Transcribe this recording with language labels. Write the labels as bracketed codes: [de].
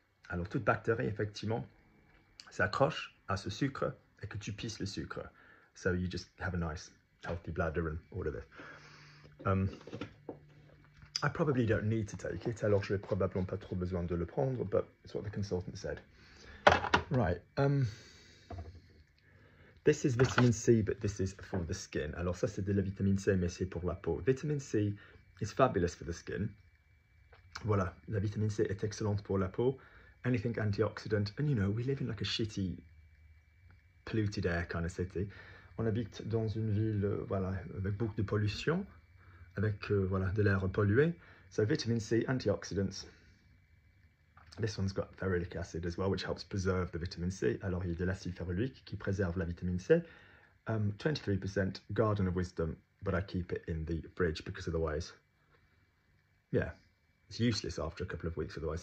[fr] Alors, toute bactérie, effectivement, s'accroche à ce sucre et que tu pisses le sucre. [en] So, you just have a nice, healthy bladder and all of this. I probably don't need to take it. [fr] Alors, je n'ai probablement pas trop besoin de le prendre, [en] but it's what the consultant said. Right. This is vitamin C, but this is for the skin. [fr] Alors, ça, c'est de la vitamine C, mais c'est pour la peau. [en] Vitamin C is fabulous for the skin. [fr] Voilà, la vitamine C est excellente pour la peau. [en] Anything antioxidant, and you know, we live in like a shitty, polluted air kind of city. [fr] On habite dans une ville, voilà, avec beaucoup de pollution, avec, voilà, de l'air pollué. [en] So vitamin C, antioxidants. This one's got ferulic acid as well, which helps preserve the vitamin C. [fr] Alors, il y a de l'acide ferulique qui préserve la vitamine C. [en] 23% garden of wisdom, but I keep it in the fridge because otherwise, yeah. It's useless after a couple of weeks otherwise.